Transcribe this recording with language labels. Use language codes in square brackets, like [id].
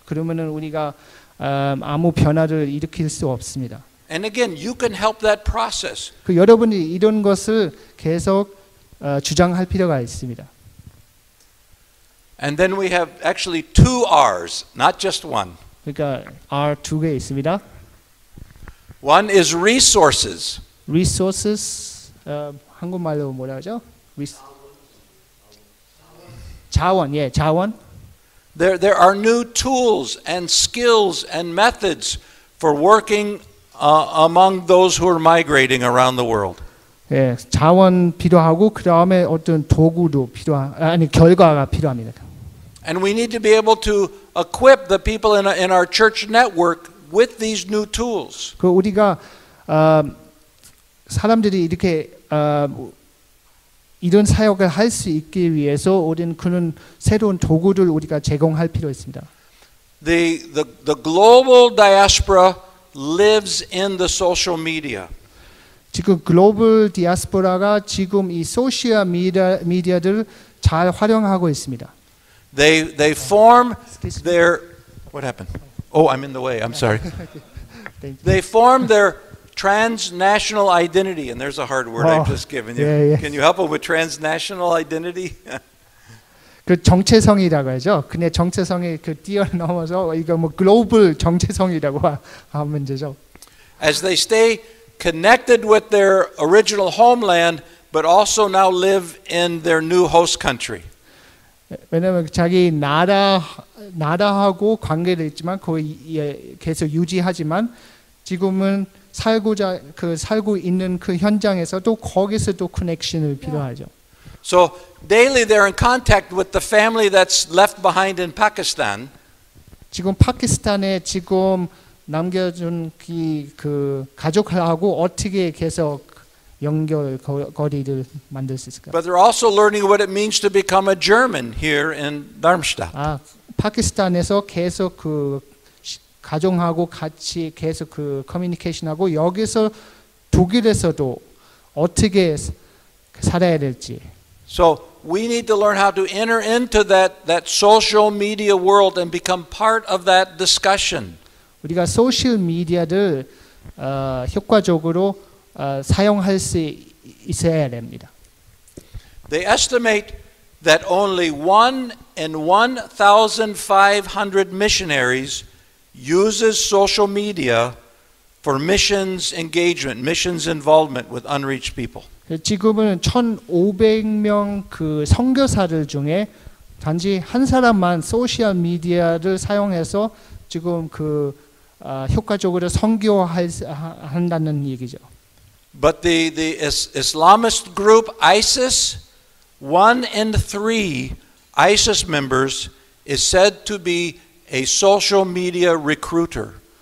[ko] 그러면은 우리가 아무 변화를 일으킬 수 없습니다. [en] And again, you can help that process. [ko] 그 여러분이 이런 것을 계속 주장할 필요가 있습니다. [en] And then we have actually two R's, not just one. [ko] 그러니까 R 두 개 있습니다. [en] One is resources. [ko] Resources. 한국말로 뭐라 하죠? 자원, 예, 자원. [en] There are new tools and skills and methods for working among those who are migrating around the world. [ko] 예, 자원 필요하고 그다음에 어떤 도구도 결과가 필요합니다. [en] And we need to be able to equip the people in our church network with these new tools. [ko] 그 우리가 사람들이 이렇게 이런 사역을 할 수 있기 위해서 우리는 그런 새로운 도구를 우리가 제공할 필요 있습니다. [en] The global diaspora lives in the social media. [ko] 지금 글로벌 디아스포라가 지금 이 소셜 미디어들 잘 활용하고 있습니다. [en] They form their What happened? Oh, I'm in the way. I'm sorry. They form their transnational identity and there's a hard word I've just given you. Yeah, yeah. Can you help him with transnational identity? [ko] 그 정체성이라고 하죠. 근데 정체성이 그 뛰어넘어서 이거 뭐 글로벌 정체성이라고 하면 되죠. [en] As they stay connected with their original homeland but also now live in their new host country. [ko] 왜냐면 자기 나라하고 관계를 있지만 거의 계속 유지하지만 지금은 살고자 그 살고 있는 그 현장에서 또 거기서 또 커넥션을 필요하죠. [en] So daily they're in contact with the family that's left behind in Pakistan. [ko] 지금 파키스탄에 지금 남겨준 그 가족하고 어떻게 계속 연결거리를 만들 수 있을까? [en] But they're also learning what it means to become a German here in Darmstadt. [ko] 아, 파키스탄에서 계속 그 가족하고 같이 계속 그 커뮤니케이션하고 여기서 독일에서도 어떻게 살아야 될지. [en] So we need to learn how to enter into that social media world and become part of that discussion. [ko] 우리가 소셜 미디어를 효과적으로 사용할 수 있어야 됩니다. [en] They estimate that only 1 in 1,500 missionaries uses social media for missions engagement, missions involvement with unreached people. [ko] 지금은 1,500명 그 선교사들 중에 단지 한 사람만 소셜 미디어를 사용해서 지금 그 효과적으로 선교한다는 얘기죠. [en] But the Islamist group ISIS, 1 in 3 ISIS members is said to be a social media recruiter.